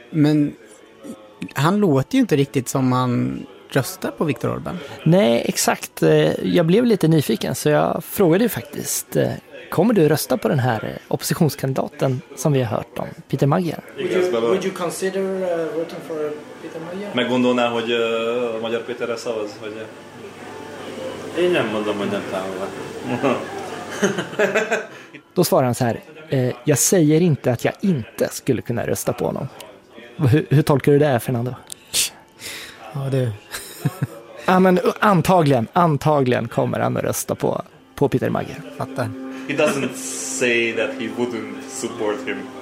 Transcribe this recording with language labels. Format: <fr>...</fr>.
<sv>Men han låter ju inte riktigt som man röstar på Viktor Orbán. Nej, exakt. Jag blev lite nyfiken så jag frågade ju faktiskt: kommer du rösta på den här oppositionskandidaten som vi har hört om, Peter Magyar?</sv> <en>Would you consider voting for Peter Magyar?</en> <hu>Meg gondolná, hogy Magyar Péterre szavaz, hogy én nem mondom, hogy nem támogat.</hu> <sv>Då svarar han så här: jag säger inte att jag inte skulle kunna rösta på honom. Hur tolkar du det, Fernando? Ja, du. Ja, men antagligen kommer han att rösta på Peter Magyar. Fattar.</sv> <en>He doesn't say that he wouldn't support him.</en>